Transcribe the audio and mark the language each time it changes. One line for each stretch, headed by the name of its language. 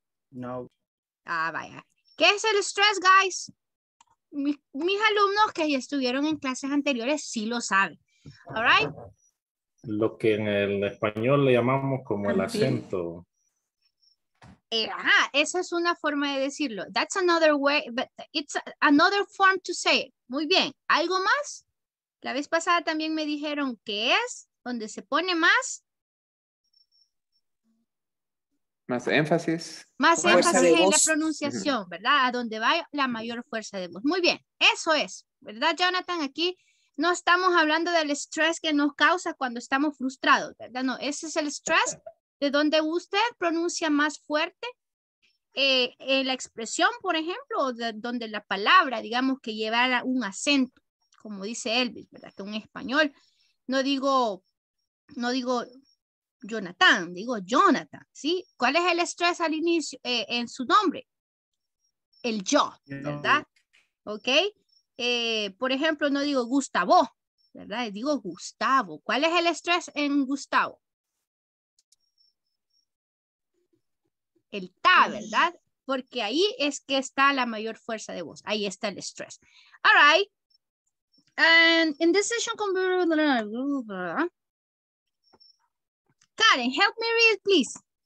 Spanish: No. Ah, vaya. ¿Qué es el stress, guys? mis alumnos que estuvieron en clases anteriores sí lo saben.
English: All right?
Spanish: Lo que en el español le llamamos como el acento. Ajá, esa es una forma de decirlo.
English: That's another way, but it's another form to say it.
Spanish: Muy bien. ¿Algo más? La vez pasada también me dijeron que es donde se pone más. Más énfasis. Más énfasis en la pronunciación, ¿verdad? A donde va la mayor fuerza de voz. Muy bien, eso es, ¿verdad, Jonathan? Aquí no estamos hablando del estrés que nos causa cuando estamos frustrados, ¿verdad? No, ese es el estrés de donde usted pronuncia más fuerte la expresión, por ejemplo, o de donde la palabra, digamos, que llevara un acento, como dice Elvis, ¿verdad? Que un español, no digo Jonathan, digo Jonathan, ¿sí? ¿Cuál es el estrés al inicio en su nombre? El yo, ¿verdad? ¿Ok? Por ejemplo, no digo Gustavo, ¿verdad? Digo Gustavo. ¿Cuál es el estrés en Gustavo? El ta, ¿verdad? Porque ahí es que está la mayor fuerza de voz. Ahí está el estrés.
English: All right. And in this session, Karen, help me read, please.